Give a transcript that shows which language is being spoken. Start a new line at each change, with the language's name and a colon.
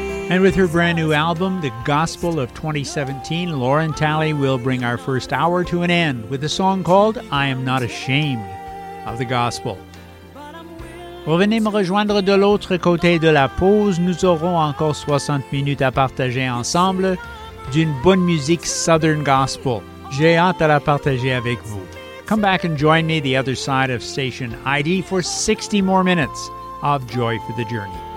English: And with her brand new album, The Gospel of 2017, Lauren Talley will bring our first hour to an end with a song called I Am Not Ashamed of the Gospel.
French: Revenez me rejoindre de l'autre côté de la pause. Nous aurons encore 60 minutes à partager ensemble d'une bonne musique Southern Gospel. J'ai hâte à la partager avec vous.
English: Come back and join me the other side of station ID for 60 more minutes of Joy for the Journey.